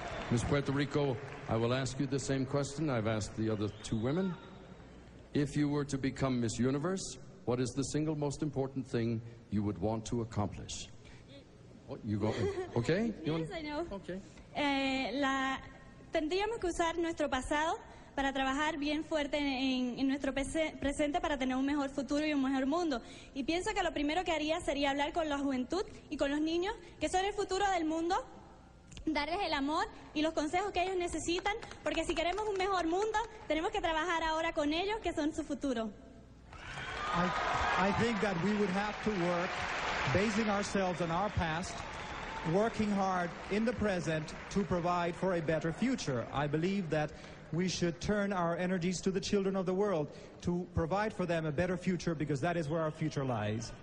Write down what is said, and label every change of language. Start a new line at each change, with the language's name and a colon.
English: Miss Puerto Rico, I will ask you the same question I've asked the other two women. If you were to become Miss Universe, what is the single most important thing you would want to accomplish? What, you go, okay? You want, yes, I know. Okay.
Spanish: Tendríamos que usar nuestro pasado para trabajar bien fuerte en nuestro presente para tener un mejor futuro y un mejor mundo. Y pienso que lo primero que haría sería hablar con la juventud y con los niños, que son el futuro del mundo, darles el amor y los consejos que ellos necesitan, porque si queremos un mejor mundo, tenemos que trabajar ahora con ellos, que son su futuro.
English: I think that we would have to work basing ourselves on our past, working hard in the present to provide for a better future. I believe that we should turn our energies to the children of the world to provide for them a better future, because that is where our future lies.